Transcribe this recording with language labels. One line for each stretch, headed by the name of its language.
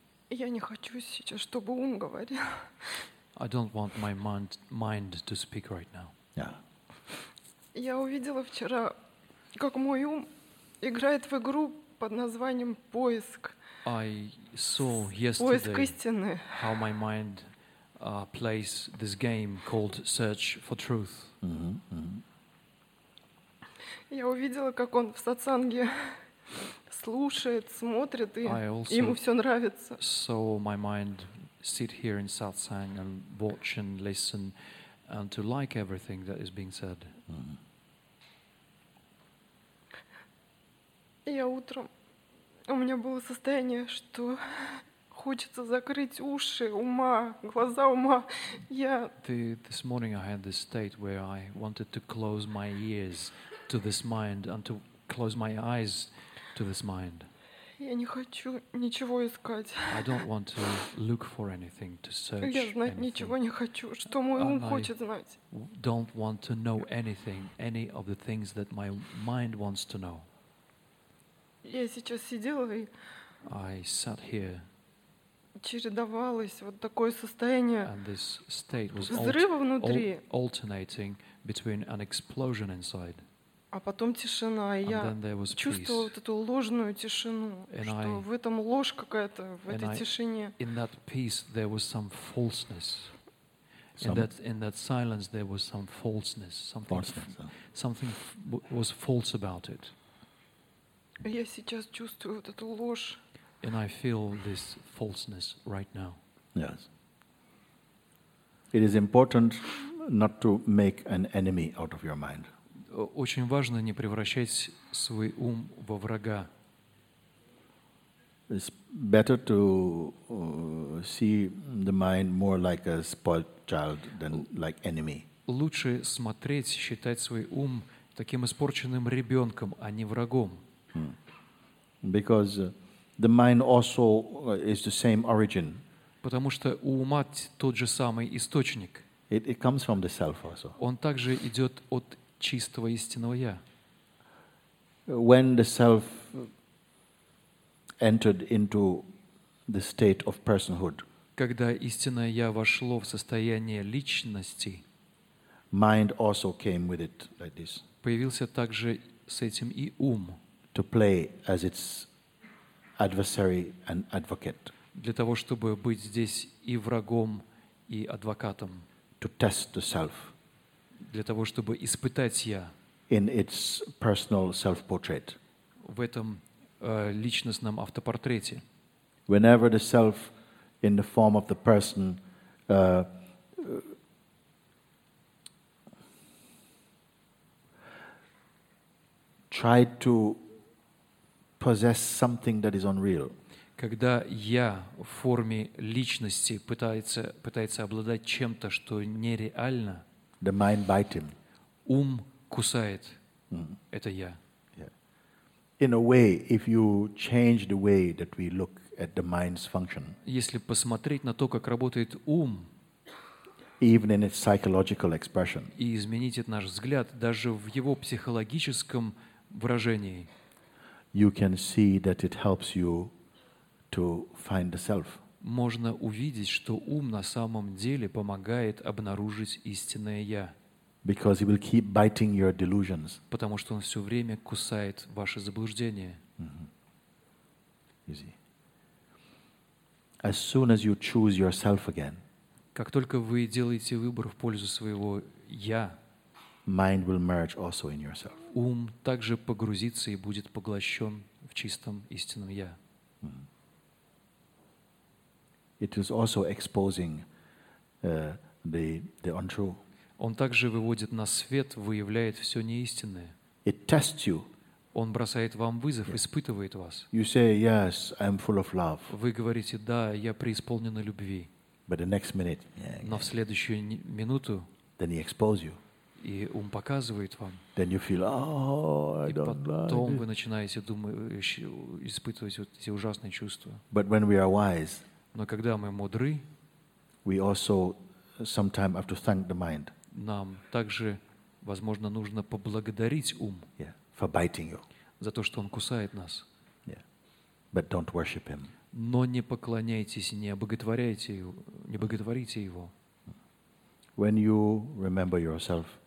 Russian: Я не хочу сейчас, чтобы ум говорил.
English: I don't want my mind to speak right now.
Russian: Я увидела вчера, как мой ум играет в игру под названием «Поиск».
English: I saw yesterday how my mind plays this game called Search for Truth.
Russian: Я увидела, как он в сатсанге слушает, смотрит, и ему все нравится.
English: So my mind sit here in satsang and watch and listen and to like everything that is being said.
Russian: Я утром у меня было состояние, что хочется закрыть уши, ума, глаза ума. Я
English: This morning I had this state where I wanted to close my ears to this mind and to close my eyes to this mind.
Russian: Я не хочу ничего искать.
English: I don't want to look for anything, to search.
Russian: Я знать ничего не хочу, что мой ум хочет знать.
English: Don't want to know anything, any of the things that my mind wants to know.
Russian: Я сейчас сидела и
English: I sat here.
Russian: Чередовалось вот такое состояние.
English: And this state was
Russian: взрыва внутри.
English: Alternating between an explosion inside.
Russian: А потом тишина, и
English: And
Russian: я чувствовала вот эту ложную тишину,
English: And
Russian: что в этом ложь какая-то в
English: And
Russian: этой тишине.
English: In that peace there was some falseness. In that silence there was some falseness, something was false about it.
Russian: Я сейчас чувствую вот эту ложь.
English: And I feel this falseness right now. Yes. It is important not to make an enemy out of your mind.
Russian: Очень важно не превращать свой ум во врага.
English: It's better to see the mind more like a spoiled child than like enemy.
Russian: Лучше смотреть, считать свой ум таким испорченным ребенком, а не врагом.
English: Because the mind also is the same origin.
Russian: Потому что у ума тот же самый источник.
English: It comes from the self also.
Russian: Он также идет от чистого истинного я.
English: When the self entered into the state of personhood.
Russian: Когда истинное я вошло в состояние личности.
English: Mind also came with it like this.
Russian: Появился также с этим и ум.
English: To play as its adversary and advocate.
Russian: Для того, чтобы быть здесь и врагом, и адвокатом.
English: To test the self.
Russian: Для того, чтобы испытать я.
English: In its personal self-portrait.
Russian: В этом личностном автопортрете.
English: Whenever the self in the form of the person tried to possess something that is unreal.
Russian: Когда я в форме личности пытается обладать чем-то, что нереально,
English: the mind bites him.
Russian: Ум кусает. Это я.
English: Yeah. In a way, if you change the way that we look at the mind's function.
Russian: Если посмотреть на то, как работает ум,
English: even in its psychological expression.
Russian: И изменить наш взгляд даже в его психологическом выражении.
English: You can see that it helps you to find the self.
Russian: Можно увидеть, что ум на самом деле помогает обнаружить истинное я.
English: Because it will keep biting your delusions.
Russian: Потому что он все время кусает ваши заблуждения.
English: You see. As soon as you choose yourself again.
Russian: Как только вы делаете выбор в пользу своего я.
English: Mind will merge also in yourself.
Russian: Ум также погрузится и будет поглощен в чистом истинном я.
English: It is also exposing the untrue.
Russian: Он также выводит на свет, выявляет все неистинное.
English: It tests you.
Russian: Он бросает вам вызов, испытывает вас.
English: You say yes, I'm full of love.
Russian: Вы говорите да, я преисполнен любви.
English: But the next minute,
Russian: но в следующую минуту.
English: Then he exposes you.
Russian: И ум показывает вам.
English: Then you feel, oh, I don't like it.
Russian: И потом вы начинаете испытывать вот эти ужасные чувства.
English: But when we are wise,
Russian: но когда мы мудры,
English: we also sometime have to thank the mind.
Russian: Нам также, возможно, нужно поблагодарить ум
English: for biting you.
Russian: за то, что он кусает нас.
English: But don't worship him.
Russian: Но не поклоняйтесь, не боготворяйте его, не боготворите его.
English: When you remember yourself,